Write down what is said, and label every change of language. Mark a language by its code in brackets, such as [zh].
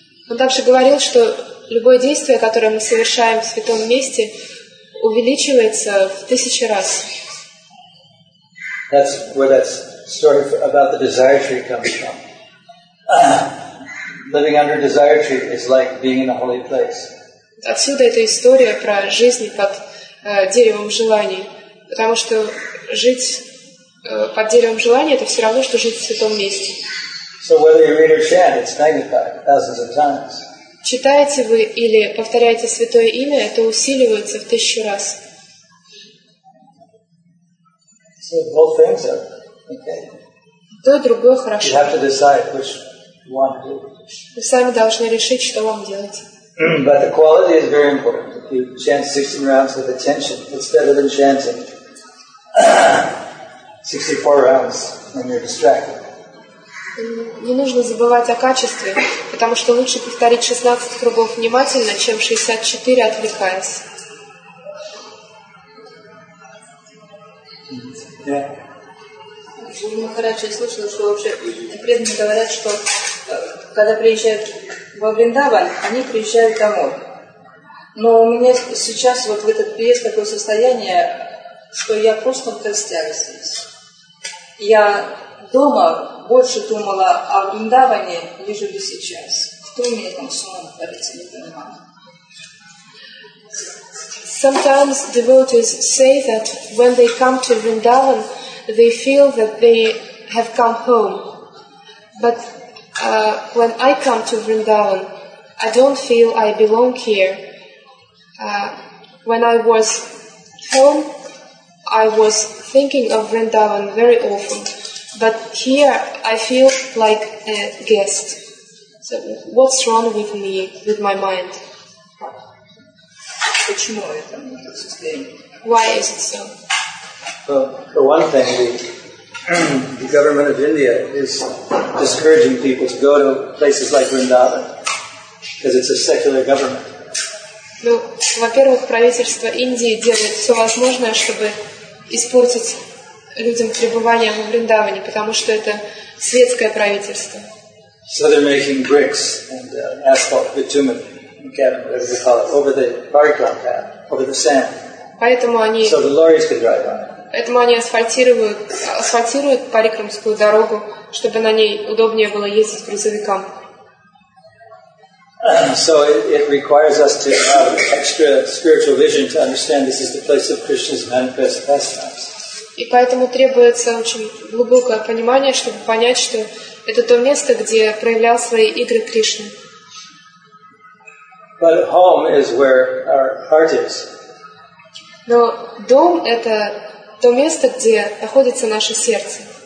[ru] Он также говорил, что любое действие, которое мы совершаем в святом месте, увеличивается в 1,000 раз. [en] That's where that story about the desire tree comes from. Living under desire tree is like being in a holy place. [ru] Отсюда эта история про жизнь под деревом желаний, потому что жить под деревом желания — это все равно, что жить в святом месте. [en] So whether you read or chant, it's magnified thousands of times. [ru] Читаете вы или повторяете святое имя, это усиливается в 1,000 раз. [en] So both things are okay. [ru] То и другое хорошо. [en] You have to decide which one to do. [ru] Вы сами должны решить, что вам делать. [en] But the quality is very important. If you chant 16 rounds with attention, it's better than chanting 64 rounds when you're distracted. [ru] Не нужно забывать о качестве, потому что лучше повторить 16 кругов внимательно, чем 64 отвлекаясь. Да. Махараджа, я слышала, что вообще преданные говорят, что когда приезжают во Вриндаван, они приезжают домой. Но у меня сейчас вот в этот приезд такое состояние, что я просто в гостях здесь. Я дома больше думала о Вриндаване, нежели сейчас. Кто мне там сон говорит, я не понимаю. [en] Sometimes devotees say that when they come to Vrindavan, they feel that they have come home. But when I come to Vrindavan, I don't feel I belong here. When I was home, I was thinking of Vrindavan very often, but here I feel like a guest. So what's wrong with me, with my mind? Why is it so? Well, for one thing, the government of India is discouraging people to go to places like Vrindavan because it's a secular government. [ru] Ну, во-первых, правительство Индии делает все возможное, чтобы испортить людям пребывание во Вриндаване, потому что это светское правительство. [en] So they're making bricks and asphalt, bitumen, whatever you call it, over the parikram path, over the sand. [ru] Поэтому они, [en] so the lorries can drive by. [ru] Поэтому они асфальтируют парикрамскую дорогу, чтобы на ней удобнее было ездить грузовикам. [en] So it requires us to have extra spiritual vision to understand this is the place of Krishna's manifest pastimes. [ru] И поэтому требуется очень глубокое понимание, чтобы понять, что это то место, где проявлял свои игры Кришна. [en] But home is where our heart is. [ru] Но дом — это то место, где находится наше сердце.